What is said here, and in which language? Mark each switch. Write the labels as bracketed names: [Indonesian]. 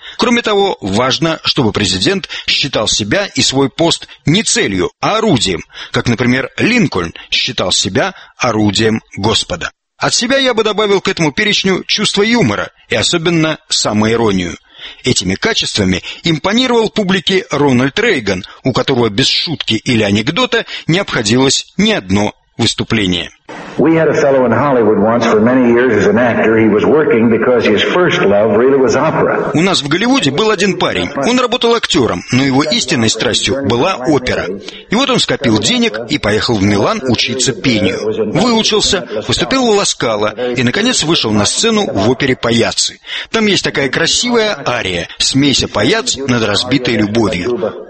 [Russian] Кроме того, важно, чтобы президент считал себя и свой пост не целью, а орудием, как, например, Линкольн считал себя орудием Господа. От себя я бы добавил к этому перечню чувство юмора и особенно самоиронию. Этими качествами импонировал публике Рональд Рейган, у которого без шутки или анекдота не обходилось ни одно выступление. [English] We had a fellow in Hollywood once for many years as an actor. He was working because his first love really was opera. [Russian] У нас в Голливуде был один парень. Он работал актером, но его истинной страстью была опера. И вот он скопил денег и поехал в Милан учиться пению. Выучился, выступил в Ласкало и, наконец, вышел на сцену в опере «Паяцци». Там есть такая красивая ария «Смейся, паяц, над разбитой любовью».